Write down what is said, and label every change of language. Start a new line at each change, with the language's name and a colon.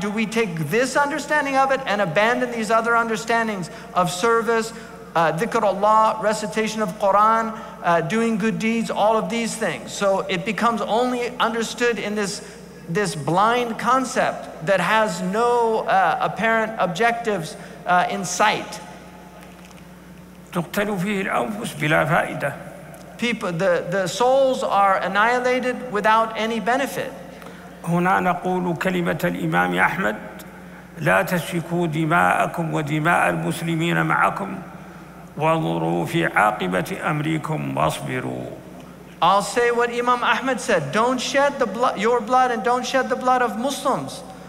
English: Do we take this understanding of it and abandon these other understandings of service, dhikr Allah, recitation of Quran, doing good deeds, all of these things? So it becomes only understood in this blind concept that has no apparent objectives in sight.
Arabic: تقتل فيه الأنفس بلا فائدة.
English: People, the souls are annihilated without any benefit.
Arabic: هنا نقول كلمة الإمام أحمد لا تسفكوا دماءكم ودماء المسلمين معكم وَانظُرُوا فِي عَاقِبَةِ أَمْرِكُمْ وَاصْبِرُوا.
English: I'll say what Imam Ahmed said, don't shed the blood, your blood, and don't shed the blood of Muslims.